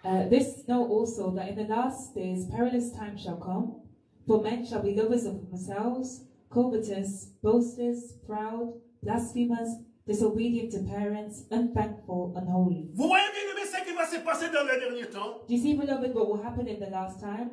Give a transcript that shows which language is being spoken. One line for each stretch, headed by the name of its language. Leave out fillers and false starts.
English: This know also that in the last days perilous times shall come, for men shall be lovers of themselves, covetous, boasters, proud, blasphemers, disobedient to parents, unthankful, unholy.
French: Vous voyez bien aimé ce qui va se passer dans le dernier temps?
English: Do you see, beloved, what will happen in the last time?